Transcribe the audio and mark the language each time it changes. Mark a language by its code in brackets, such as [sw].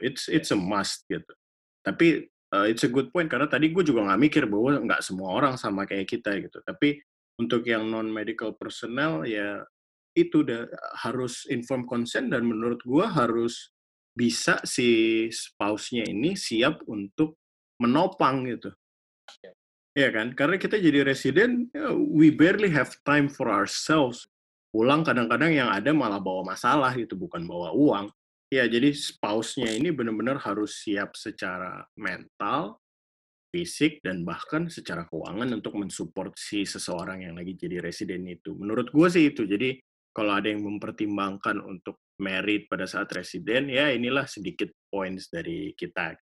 [en] It's a must [id] gitu. Tapi [en] it's a good point, [id] karena tadi gue juga gak mikir bahwa gak semua orang sama kayak kita gitu. Tapi untuk yang [en] non-medical personnel, [id] ya itu udah harus inform consent, dan menurut gue harus bisa si spouse-nya ini siap untuk menopang gitu. Iya yeah, kan? Karena kita jadi resident, [en] we barely have time for ourselves. [id] Pulang kadang-kadang yang ada malah bawa masalah gitu, bukan bawa uang. Ya, jadi spouse-nya ini benar-benar harus siap secara mental, fisik, dan bahkan secara keuangan untuk mensupport si seseorang yang lagi jadi resident itu. Menurut gue sih itu. Jadi, kalau ada yang mempertimbangkan untuk married pada saat resident, ya inilah sedikit points dari kita.